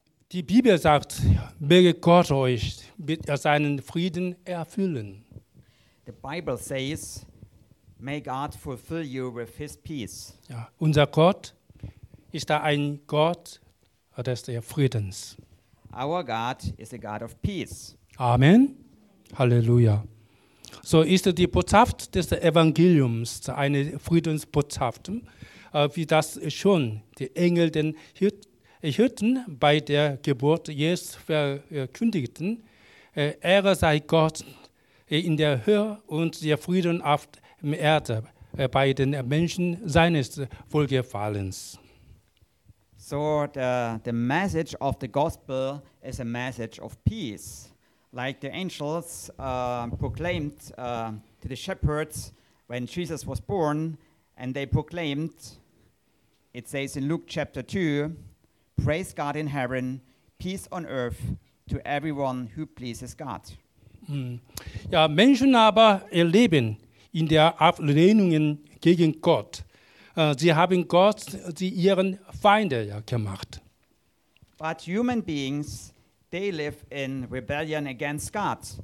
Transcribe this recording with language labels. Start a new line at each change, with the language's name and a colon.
German: Die Bibel sagt, möge Gott euch mit seinen Frieden erfüllen.
English: The Bible says, may God fulfill you with his peace.
German: Ja, unser Gott ist da ein Gott des Friedens.
English: Our God is a God of peace.
German: Amen. Halleluja. So ist die Botschaft des Evangeliums eine Friedensbotschaft, wie das schon die Engel den Hirten bei der Geburt Jesu verkündigten. Ehre sei Gott in der Höhe und der Frieden auf der Erde bei den Menschen seines Wohlgefallens.
English: So the message of the gospel is a message of peace. Like the angels proclaimed to the shepherds when Jesus was born, and they proclaimed, it says in Luke chapter 2, praise God in heaven, peace on earth to everyone who pleases God.
German: Ja, Menschen aber erleben in der Ablehnung gegen Gott. Sie haben Gott zu ihren Feinden gemacht.
English: But human beings, they live in rebellion against God.